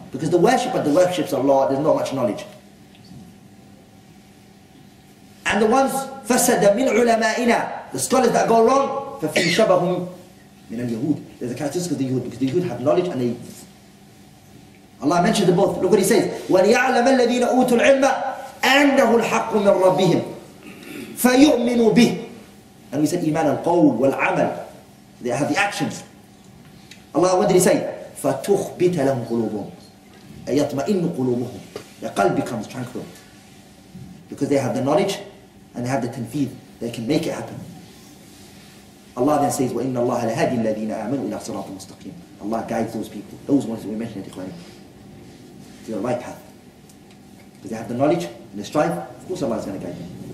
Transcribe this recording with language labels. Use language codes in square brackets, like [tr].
[en] Because the worshipper, the worships of Allah, there's not much knowledge. And the ones, [ar] فَسَدَ مِنْ عُلَمَائِنَا [en] The scholars that go wrong, [ar] فَفِيهِ شَبَهُ مِنَ الْيَهُودِ [en] There's a characteristic of the Yehud, because the Yehud have knowledge and they... Allah mentioned them both. Look what he says. [ar] وَلِيَعْلَمَ الَّذِينَ أُوتُوا الْعِلْمَ أَنَّهُ الْحَقُّ مِنْ رَبِّهِمْ فَيُؤْمِنُوا بِهِ [en] And we said [ar] إيمان القول والعمل. [en] They have the actions. Allah, what did he say? [ar] فَتُخْبِتَ لَهُمْ قُلُوبُهُمْ أَيَطْمَئِنُّ قُلُوبُهُمْ [en] Their qalb becomes tranquil. Because they have the knowledge and they have the tanfeed. They can make it happen. Allah then says, [ar] وَإِنَّ اللَّهَ لَهَدِي الَّذِينَ آمَنُوا إِلَى صِرَاطٍ مُسْتَقِيمٍ [en] Allah guides those people, those ones that we mentioned in the Quran, to the right path. Because they have the knowledge and the strive, of course Allah is going to guide them.